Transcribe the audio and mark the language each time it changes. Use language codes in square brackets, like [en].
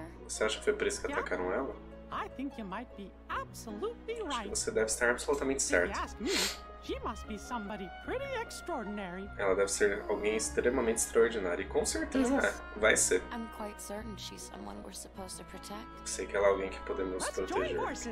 [pt] Você acha que foi por isso que atacaram ela? [en] I think you might be absolutely right. [pt] Você deve estar absolutamente certo. [en] She must be somebody pretty extraordinary. [pt] Ela deve ser alguém extremamente extraordinário. E com certeza vai ser. [en] I'm quite certain she's someone we're supposed to protect. [pt] Sei que ela é alguém que podemos proteger.